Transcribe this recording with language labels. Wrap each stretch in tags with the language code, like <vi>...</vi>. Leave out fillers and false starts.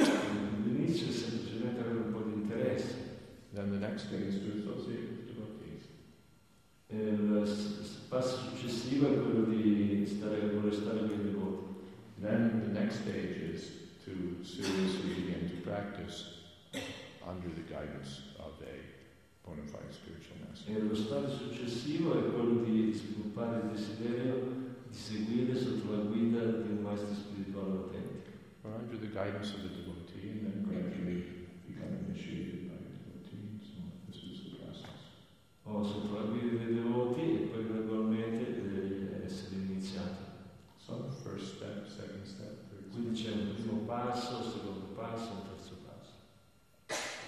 <it>All'inizio è semplicemente avere un po' di interesse.</it> <en>Then the next thing is to associate with devotees.</en> <it>Il passo successivo è quello di stare a molestare con i devoti.</it> <en>Then the next stage is to seriously begin to practice under the guidance of a bona fide spiritual master.</en> <it>E lo stato successivo è quello di sviluppare il desiderio di seguire sotto la guida di un maestro spirituale autentico.</it> <en>Or under the guidance of the devotee, and then gradually become initiated by the devotee. So this is the process.</en> <it>Oh, sotto la guida dei devoti e poi gradualmente essere iniziato.</it> <en>So first step, second step, third step.</en> <it>Quindi c'è un primo passo, secondo passo, terzo passo.</it>